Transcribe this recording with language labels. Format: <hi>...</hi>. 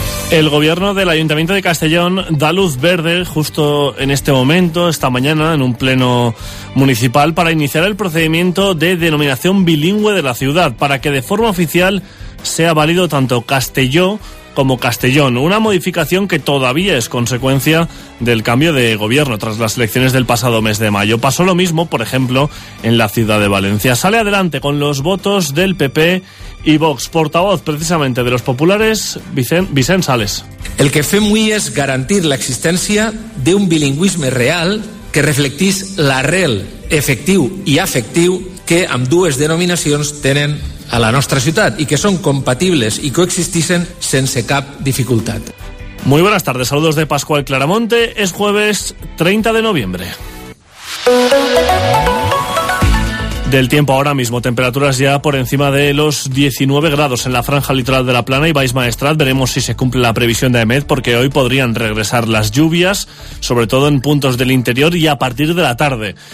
<es>El gobierno del Ayuntamiento de Castellón da luz verde justo en este momento, esta mañana, en un pleno municipal, para iniciar el procedimiento de denominación bilingüe de la ciudad, para que de forma oficial sea válido tanto Castelló como Castellón, una modificación que todavía es consecuencia del cambio de gobierno tras las elecciones del pasado mes de mayo. Pasó lo mismo, por ejemplo, en la ciudad de Valencia. Sale adelante con los votos del PP y Vox. Portavoz, precisamente, de los populares, Vicent Sales.</es> <ca>El que fem avui és garantir la existència de un bilingüisme real que reflectís l'arrel efectiu i afectiu que ambdues denominacions tenen a la nostra ciutat i que són compatibles i coexistissen sense cap dificultat.</ca> <es>Muy buenas tardes, saludos de Pascual Claramonte. Es jueves 30 de noviembre. Del tiempo ahora mismo, temperaturas ya por encima de los 19 grados en la franja litoral de la Plana y Baix Maestrat. Veremos si se cumple la previsión de AEMET, porque hoy podrían regresar las lluvias, sobre todo en puntos del interior y a partir de la tarde.</es>